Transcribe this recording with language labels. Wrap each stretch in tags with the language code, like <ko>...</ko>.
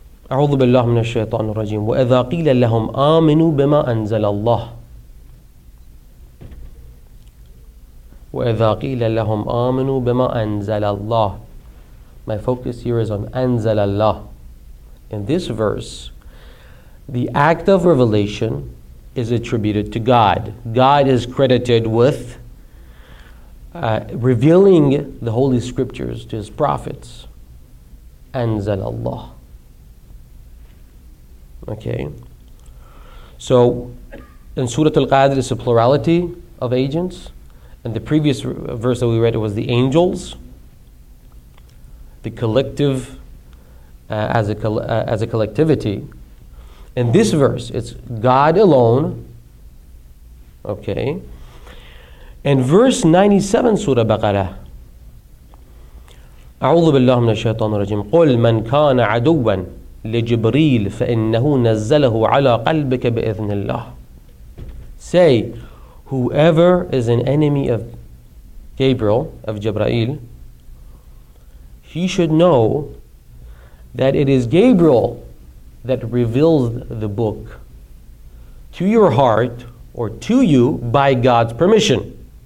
<ar>أعوذ بالله من الشيطان الرجيم وإذا قيل لهم آمنوا بما أنزل الله وإذا قيل لهم آمنوا بما أنزل الله.</ar> <en>My focus here is on</en> <ar>أنزل الله.</ar> <en>In this verse, the act of revelation is attributed to God. God is credited with revealing the Holy Scriptures to His prophets.</en> <ar>أنزل الله.</ar> <en>Okay. So, in Surah Al-Qadr, it's a plurality of agents. And the previous verse that we read was the angels. The collective, as a collectivity. In this verse, it's God alone. Okay. And verse 97, Surah Baqarah.</en> <ar>أعوذ بالله من الشيطان الرجيم قل من كان عدوا لجبريل فإنه نزله على قلبك بإذن الله.</ar> <en>Say, whoever is an enemy of Gabriel, of Jibreel, he should know that it is Gabriel that reveals the book to your heart or to you by God's permission.</en>